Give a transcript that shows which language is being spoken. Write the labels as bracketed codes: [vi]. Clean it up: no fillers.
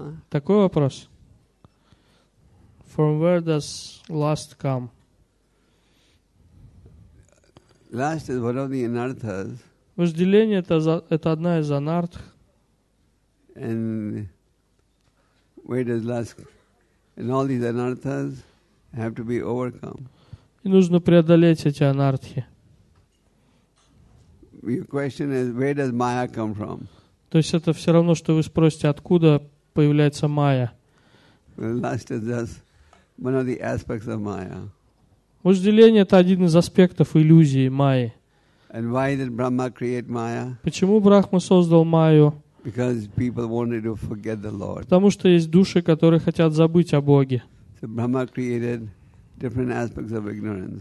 [ru] Такой вопрос. [en] From where does lust come? Lust is one of the anarthas. [ru] Вожделение это одна из анартх. [en] And where does lust come? And all these anarthas have to be overcome. [ru] И нужно преодолеть эти анартхи. [en] Your question is, where does Maya come from? [ru] То есть это все равно, что вы спросите, откуда появляется Майя. [en] Well, lust is just one of the aspects of Maya. [ru] Вожделение это один из аспектов иллюзии Майи. [en] And why did Brahma create Maya? [ru] Почему Брахма создал Майю? [en] Because people wanted to forget the Lord. [ru] Потому что есть души, которые хотят забыть о Боге. [en] So Brahma created different aspects of ignorance.